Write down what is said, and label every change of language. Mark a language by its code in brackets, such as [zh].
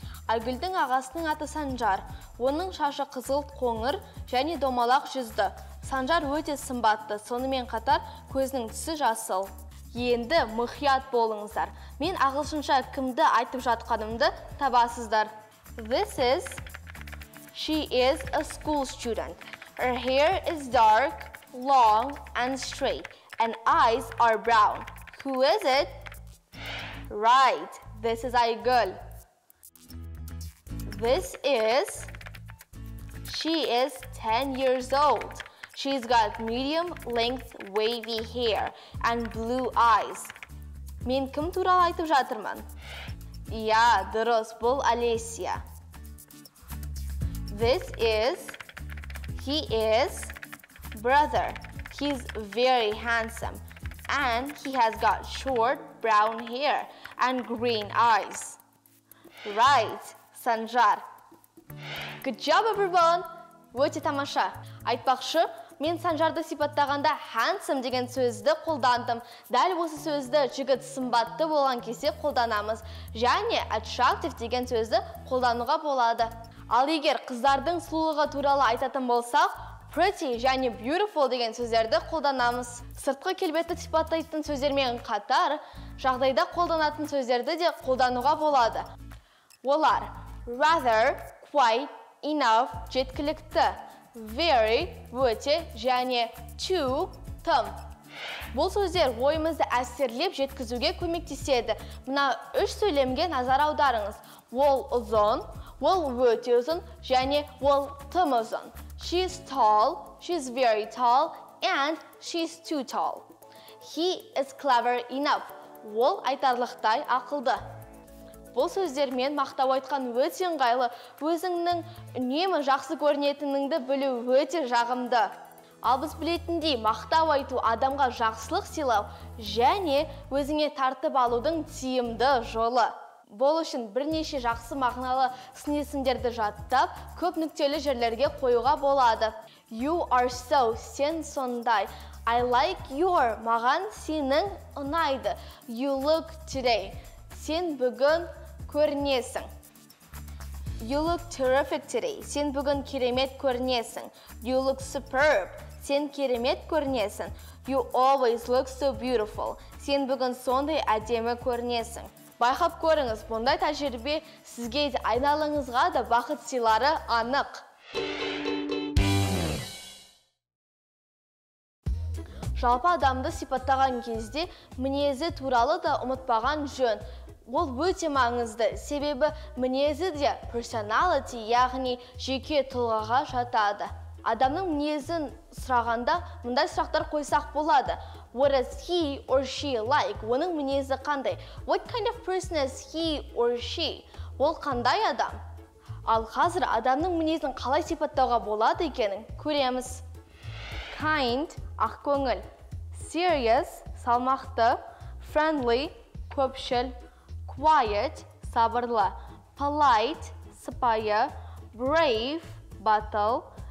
[kk] Айгүлдің ағасының аты Санжар. Оның шашы қызылт қоңыр, және домалақ жүзді. Санжар өте сымбатты, сонымен қатар көзінің түсі жасыл. Енді мұқият болыңыздар. Мен ағылшынша кімді айтып жатқанымды табасыздар. [en] This is... She is a school student. Her hair is dark, long and straight, and eyes are brown. Who is it? Right, this is Айгүл. This is... She is 10 years old. She's got medium-length wavy hair and blue eyes. [kk] Мен кім туралы айтып жатырмын? Я, дұрыс, бұл Алесия. [en] This is... He is... Brother. He's very handsome. And he has got short brown hair and green eyes. Right, Санжар. Good job, everyone! [kk] Өте тамаша. Айтпақшы, мен Санжарды сипаттағанда handsome деген сөзді қолдандым. Дәл осы сөзді жігіт сымбатты болған кезде қолданамыз. Және attractive деген сөзді қолдануға болады. Ал егер қыздардың сұлулығы туралы айтатын болсақ, pretty және beautiful деген сөздерді қолданамыз. Сыртқы келбетті сипаттайтын сөздермен қатар, жағдайда қолданатын сөздерді де қолдануға болады. Олар rather, quite, enough, жеткілікті, very, өте, және too, тым. Бұл сөздер ойымызды әсерлеп жеткізуге көмектеседі. Мына үш сөйлемге назар аударыңыз. Ол ұзын, ол өте ұзын, және ол тым ұзын. [en] She's tall, she's very tall, and she's too tall. He is clever enough. [kk] Ол айтарлықтай ақылды. Бұл сөздермен мақтау айтқан өте ыңғайлы, өзіңнің үнемі жақсы көрінетініңді білу өте жағымды. Ал біз білетіндей, мақтау айту адамға жақсылық сыйлау және өзіңе тартып алудың тиімді жолы. Бұл үшін бірнеше жақсы мағыналы сын-есімдерді жаттап, көп нүктелі жерлерге қоюға болады. [en] You are so, [kk] сен сондай. [en] I like your, [kk] маған сенің ұнайды. [en] You look today, [kk] сен бүгін көрінесің. [en] You look terrific today. [kk] Сен бүгін керемет көрінесің. [en] You look superb. [kk] Сен керемет көрінесің. [en] You always look so beautiful. [kk] Сен бүгін сондай әдемі көрінесің. Байқап көріңіз, бұндай тәжірибе сізге де айналаңызға да бақыт сыйлары анық. Жалпы адамды сипаттаған кезде мінезі туралы да ұмытпаған жөн. Ол өте маңызды, себебі мінезі де personality, яғни жеке тұлғаға жатады. Адамның мінезін сұрағанда, мұндай сұрақтар қойсақ болады. [en] What is he or she like? [kk] Оның мінезі қандай? [en] What kind of person is he or she? [kk] Ол қандай адам? Ал қазір адамның мінезін қалай сипаттауға болады екенін көреміз. Kind, ақ көңіл. Serious, салмақты. Friendly, көпшіл. Quiet, сабырлы. Polite, сыпайы. Brave, батыл.